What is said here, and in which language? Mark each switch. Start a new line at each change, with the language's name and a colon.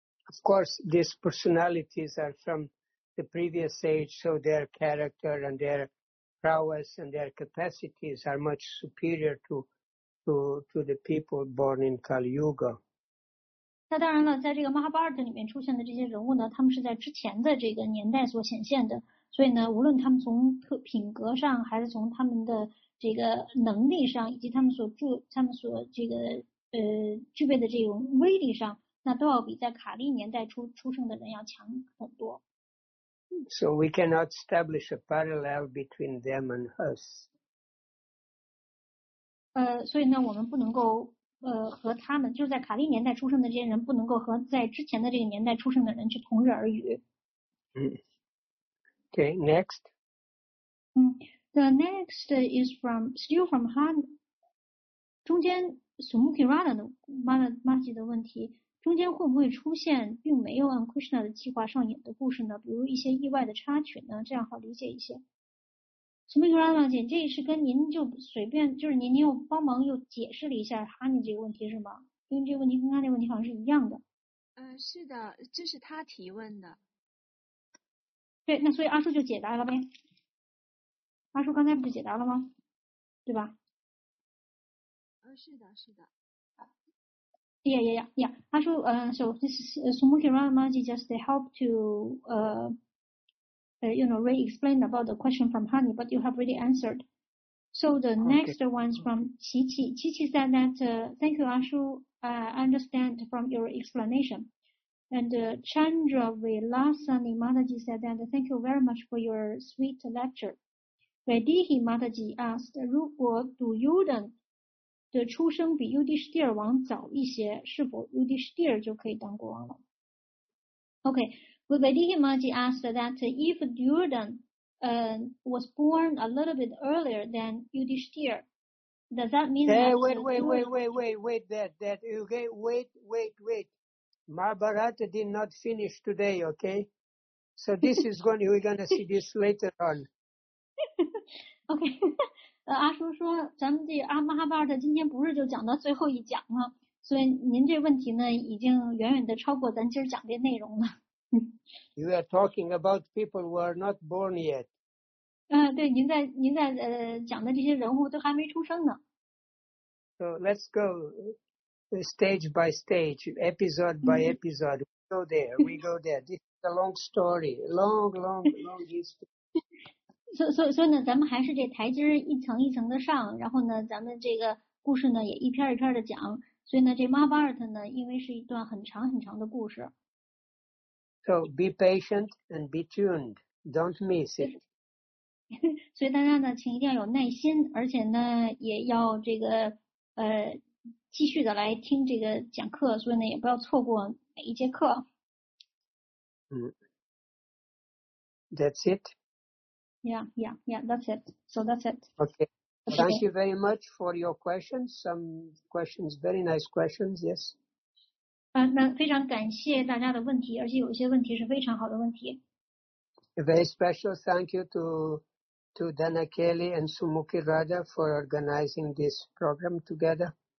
English: Of course, these personalities are from the previous age, so their character and their prowess and their capacities are much superior to the people born in Kali Yuga.
Chinese: 那当然了，在这个 Mahabharata 里面出现的这些人物呢，他们是在之前的这个年代所显现的，所以呢，无论他们从品格上，还是从他们的这个能力上，以及他们所这个具备的这种威力上，那都要比在卡利年代出生的人要强很多。
English: So we cannot establish a parallel between them and us.
Chinese: 所以呢，我们不能够和他们，就在卡利年代出生的这些人，不能够和在之前的这个年代出生的人去同日而语。
English: Okay, next. The next is still from Han.
Chinese: 中间 Sumukirana 的 Mahaji 的问题。中间会不会出现并没有按 Krishna 的计划上演的故事呢？比如一些意外的插曲呢？这样好理解一些。Sumikrama 姐，这是跟您就随便，就是您又帮忙又解释了一下 Honey 这个问题是吗？因为这个问题跟 Honey 问题好像是一样的。是的，这是他提问的。对，那所以阿叔就解答了呗。阿叔刚才不是解答了吗？对吧？是的，是的。
English: Yeah.
Chinese: 他说，
English: so this Sumukhi Ramaji just help to, you know, re-explain about the question from Hani, but you have already answered. So the next one's from Qiqi. Qiqi said that, thank you, Ashu. I understand from your explanation. And Chandra Vilasani Mataji said that, thank you very much for your sweet lecture. Radihi Mataji asked,
Chinese: 如果杜尤登的出生比尤迪士帝尔王早一些，是否尤迪士帝尔就可以当国王了？
English: Okay, Radihi Mataji asked that if Duryodhan was born a little bit earlier than Yudhishthir, does that mean that... Wait. Mahabharata did not finish today, okay? So this is going to, we're going to see this later on. Okay.
Chinese: 阿叔说咱们这阿玛哈巴尔特今天不是就讲到最后一讲吗？所以您这问题呢已经远远的超过咱今儿讲的内容了。
English: You are talking about people who are not born yet.
Chinese: 对，您在讲的这些人物都还没出生呢。
English: So let's go stage by stage, episode by episode. We go there. This is a long story, long history.
Chinese: 所以呢，咱们还是这台阶一层一层的上，然后呢，咱们这个故事呢也一篇一篇的讲。所以呢，这 Mahabharata 呢，因为是一段很长很长的故事。
English: So be patient and be tuned. Don't miss it.
Chinese: 所以大家呢，请一定要有耐心，而且呢，也要这个继续的来听这个讲课。所以呢，也不要错过每一节课。
English: 嗯 ，That's it. Yeah. That's it. Okay. Thank you very much for your questions. Some questions, very nice questions. Yes.
Chinese: 那非常感谢大家的问题，而且有些问题是非常好的问题。
English: A very special thank you to Dana Kelly and Sumukhi Raja for organizing this program together.